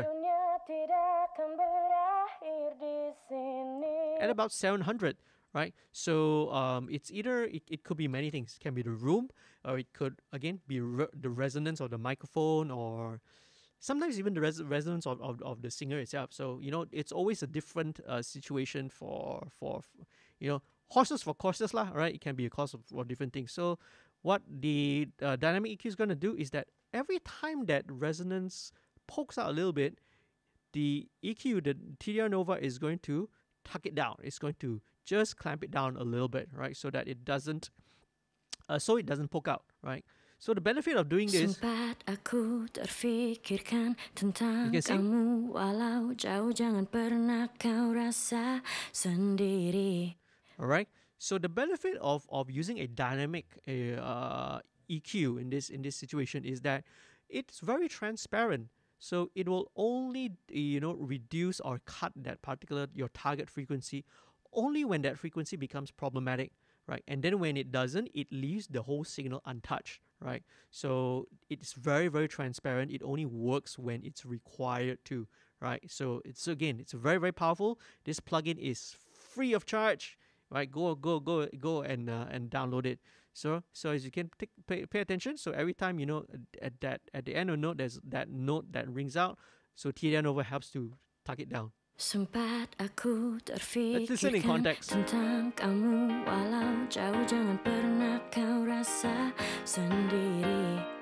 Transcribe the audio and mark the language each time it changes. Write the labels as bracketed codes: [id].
[ms] Dunia tidak akan berakhir di sini. [en] At about 700, right? So it's either, it could be many things. It can be the room, or it could, again, be the resonance of the microphone, or sometimes even the resonance of the singer itself. So, you know, it's always a different situation for you know, horses for courses, lah, right? It can be a cause of different things. So what the dynamic EQ is going to do is that every time that resonance pokes out a little bit, the EQ, the TDR Nova, is going to tuck it down. It's going to just clamp it down a little bit, right? So that it doesn't, so it doesn't poke out, right? So the benefit of doing this, [ms] aku terfikirkan tentang [en] you can sing. [ms] Kamu, walau jauh, jangan pernah kau rasa sendiri. [en] All right. So the benefit of using a dynamic EQ in this situation is that it's very transparent. So it will only, you know, reduce or cut that particular, your target frequency, only when that frequency becomes problematic, right? And then when it doesn't, it leaves the whole signal untouched, right? So it's very, very transparent. It only works when it's required to, right? So it's, again, it's very, very powerful. This plugin is free of charge, right? Go and download it. So as you can pay attention, so every time, you know, at the end of the note, there's that note that rings out, so TDR Nova helps to tuck it down. [ms] Sempat aku terfikirkan, [en] let's listen in context, [ms] tentang kamu, walau jauh, jangan pernah kau rasa sendiri.